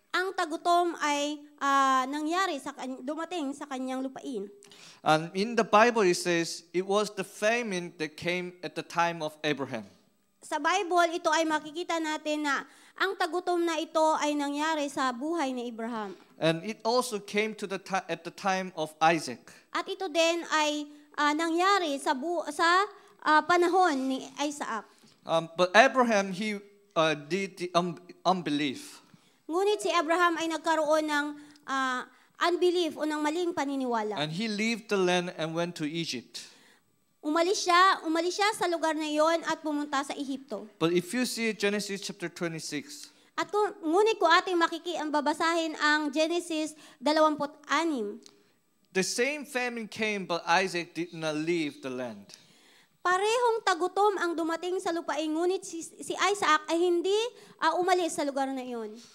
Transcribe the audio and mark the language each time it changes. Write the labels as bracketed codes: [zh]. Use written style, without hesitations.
[tl] Ang tagutom ay nangyari sa dumating sa kanyang lupain. [en] And in the Bible it says it was the famine that came at the time of Abraham. [tl] Sa Bible, ito ay makikita natin na ang tagutom na ito ay nangyari sa buhay ni Abraham. [en] And it also came to at the time of Isaac. [tl] At ito din ay nangyari sa panahon ni Isaac. [en] But Abraham, he did the unbelief. [tl] Ngunit si Abraham ay nagkaroon ng unbelief o ng maling paniniwala. [en] And he left the land and went to Egypt. [tl] Umalis siya sa lugar na iyon at pumunta sa Ehipto. [en] But if you see Genesis chapter 26. [tl] At ngunit ko ating makikiang babasahin ang Genesis 26. [en] The same famine came but Isaac did not leave the land. [tl] Parehong tagutom ang dumating sa lupain ngunit si Isaac ay hindi umalis sa lugar na iyon.